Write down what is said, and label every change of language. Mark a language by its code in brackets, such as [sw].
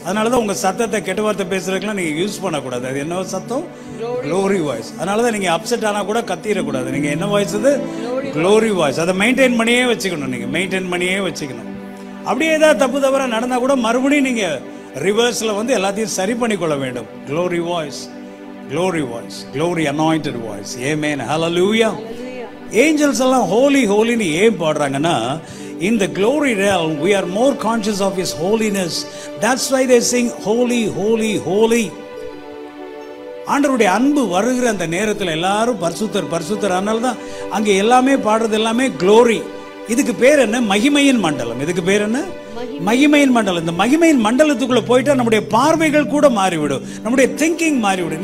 [ta] அதனாலதான் உங்க சத்தத்தை கெட்ட வார்த்தை பேசுறதுக்கெல்லாம் நீங்க யூஸ் பண்ணக்கூடாது. அது என்ன சத்தம்? Glory voice. அதனாலதான் நீங்க அப்செட் ஆனா கூட கத்திடக்கூடாது. நீங்க என்ன வாய்ஸ்? அது க்ளோரி வாய்ஸ். அதை மெயின்டைன் பண்ணியே வச்சுக்கணும், நீங்க மெயின்டைன் பண்ணியே வச்சுக்கணும். அப்படியே ஏதாவது தப்பு தவறா நடந்தா கூட மறுபடியும் நீங்க ரிவர்ஸ்ல வந்து எல்லாத்தையும் சரி பண்ணிக்கொள்ள வேண்டும். [en] Glory voice, glory voice, glory anointed voice, amen, hallelujah. [ta] Angels alla holy holy ni em paadranga na, [en] in the glory realm we are more conscious of his holiness. That's why they sing holy holy holy. [ta] ஆண்டவருடைய அன்பு வருகிற அந்த நேரத்துல எல்லாரும் பரிசுத்தர் பரிசுத்தர். அதனால தான் அங்க எல்லாமே பாடுறது எல்லாமே glory. இதுக்கு பேர் என்ன? மகிமையின் மண்டலம். இதுக்கு பேர் என்ன? மகிமையின் மண்டலம். இந்த மகிமையின் மண்டலத்துக்குள்ள போயிட்டா நம்முடைய பார்வைகள் கூட மாறிவிடும், நம்முடைய திங்கிங் மாறிவிடும்.